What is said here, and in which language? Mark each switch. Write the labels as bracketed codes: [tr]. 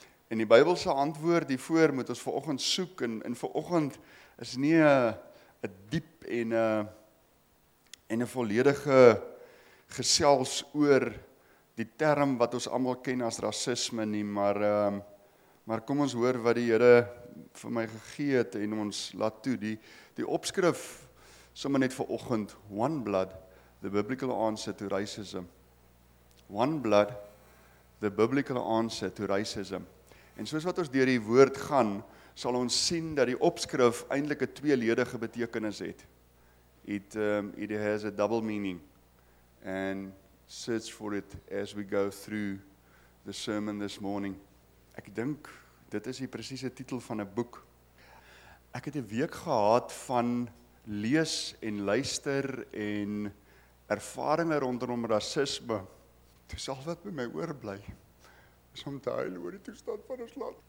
[af] En die Bybelse antwoord hiervoor moet ons vanoggend soek en vanoggend is nie 'n diep en 'n volledige gesels oor die term wat ons almal ken as rasisme nie, maar kom ons hoor wat die Here vir my gegee het en ons laat toe die opskrif sommer net vanoggend, One Blood. [en] The biblical answer to racism. One blood, the biblical answer to racism. [af] En soos wat ons deur die woord gaan, sal ons sien dat die opskrif eintlik 'n tweeledige betekenis het. [en] It has a double meaning. And search for it as we go through the sermon this morning. [af] Ek dink dit is die presiese titel van 'n boek. Ek het 'n week gehad van lees en luister en ervaringe rondom rasisme, dis al wat by my oorbly, is om te huil oor die toestand van ons land.